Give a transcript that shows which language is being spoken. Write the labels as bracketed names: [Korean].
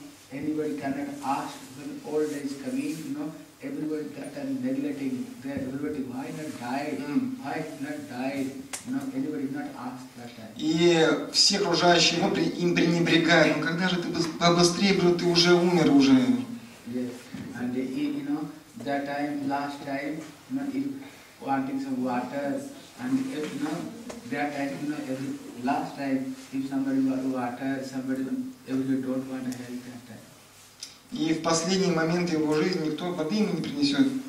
[English] Anybody cannot ask when old age coming, you know, everybody that are neglecting, they are everybody, why not die? Why not die? You know, anybody not ask that time. [Russian] И все окружающие его им пренебрегают. Ну когда же ты побыстрее, бро, ты уже умер уже. [English] Yes. And you know, that time, last time, you know, if wanting some water, and if, you know, that time, you know, every last time, if somebody want water, somebody everybody don't want to help them. [Russian] И в последний момент его жизни никто воды ему не принесет.